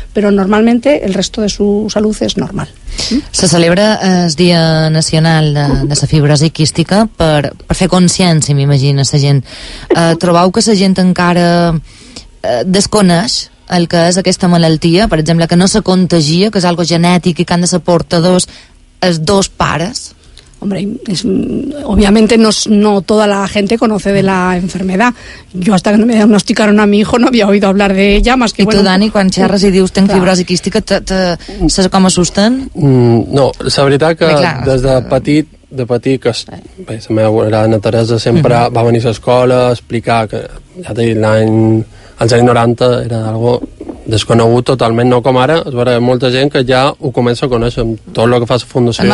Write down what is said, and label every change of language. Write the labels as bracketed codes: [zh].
[es] Pero normalmente el resto de su salud es normal. Se celebra [ca] el Dia Nacional de la Fibrosi Quística per fer consciència, m'imagino, la gent. Trobeu que la gent encara desconeix el que és aquesta malaltia? Per exemple, que no se contagia, que és algo genètic i que han de ser portadors els dos pares? [es] Hombre, obviamente no toda la gente conoce de la enfermedad. Yo hasta que no me diagnosticaron a mi hijo no había oído hablar de ella, más que ¿Y bueno. ¿Y tú, Dani, cuando [ca] xerres y dius [es] tengo fibrosi quística, ¿sabes cómo asusten? [ca] No, la veritat que des de petit, que la meva gran Teresa sempre va venir a l'escola a explicar que, ja t'he dit, als anys 90 era algo desconegut totalment, no com ara, es veu molta gent que ja ho comença a conèixer amb tot el que fa la fundació.